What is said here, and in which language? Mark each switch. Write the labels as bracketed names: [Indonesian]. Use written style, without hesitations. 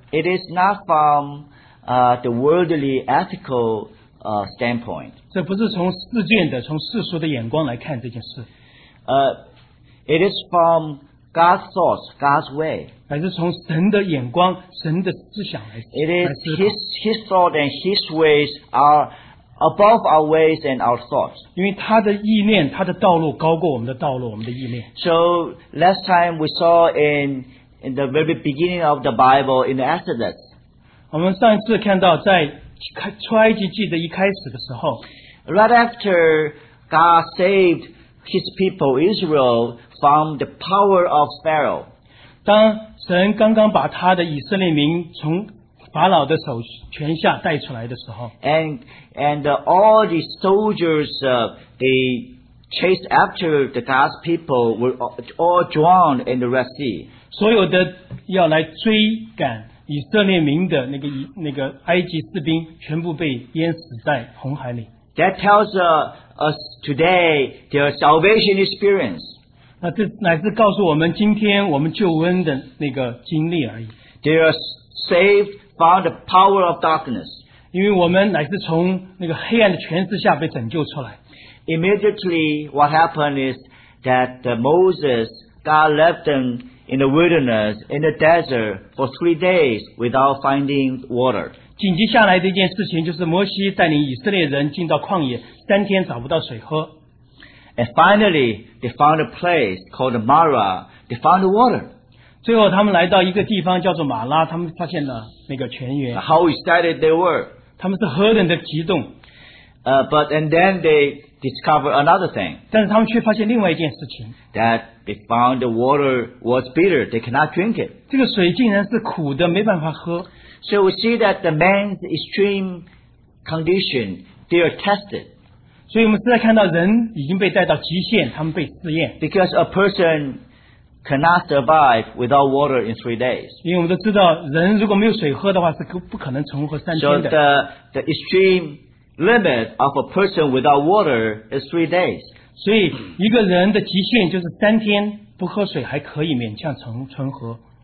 [English] It is not from the worldly ethical standpoint. [Chinese] 这不是从世间的从世俗的眼光来看这件事。 [English] It is from God's thoughts, God's way. [Chinese] 乃是从神的眼光神的思想来。 [English] It is his thought and his ways are above our ways and our thoughts. [Chinese] 因为他的意念他的道路高过我们的道路我们的意念。 [English] So last time we saw in the very beginning of the Bible in the Exodus. [Chinese] 我们上一次看到在出埃及记的一开始的时候 [English] Right after God saved his people Israel from the power of Pharaoh [Chinese] 当神刚刚把他的以色列民从法老的手权下带出来的时候 [English] And all the soldiers they chased after the God's people were all drowned in the Red Sea [Chinese] 所有的要来追赶以色列民的那个埃及士兵全部被淹死在红海里。 [English] That tells us today their salvation experience. [Chinese] 那这乃是告诉我们今天我们救恩的那个经历而已。 [English] They are saved from the power of darkness. [Chinese] 因为我们乃是从那个黑暗的权势下被拯救出来。 [English] Immediately, what happened is that Moses, God left them. In the wilderness, in the desert, for 3 days without finding water. [Chinese] 紧急下来的一件事情就是摩西带领以色列人进到旷野，三天找不到水喝。 [English] And finally, they found a place called Marah. They found water. [Chinese] 最后他们来到一个地方叫做马拉，他们发现了那个泉源。 [English] How excited they were! [Chinese] 他们是何等的激动。 [English] But and then they discovered another thing. [Chinese] 但是他们却发现另外一件事情。 [English] That They found the water was bitter. They cannot drink it. [Chinese] 这个水竟然是苦的，没办法喝。 [English] So we see that the man's extreme condition, they are tested. [Chinese] 所以我们现在看到人已经被带到极限，他们被试验。 [English] Because a person cannot survive without water in 3 days. [Chinese] 因为我们都知道，人如果没有水喝的话，是不可能存活三天的。 [English] So the extreme limit of a person without water is 3 days. [Chinese] 所以一个人的极限就是三天不喝水还可以勉强存活。